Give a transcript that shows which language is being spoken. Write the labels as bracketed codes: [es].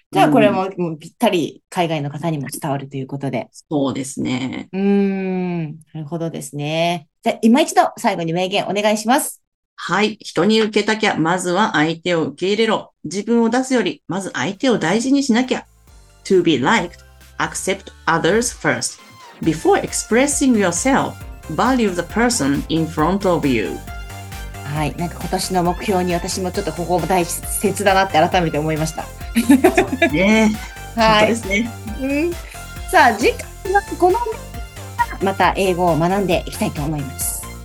[ja] じゃあ、これもぴったり海外の方にも伝わるということで。そうですね。なるほどですね。じゃあ、今一度最後に名言お願いします。人に受けたきゃ、まずは相手を受け入れろ。自分を出すより、まず相手を大事にしなきゃ。 [en] To be liked, accept others first. Before expressing yourself, value the person in front of you. [ja] なんか今年の目標に私もちょっとここも大切だなって改めて思いました。そうですね。本当ですね。さあ、次回はこのまた英語を学んでいきたいと思います。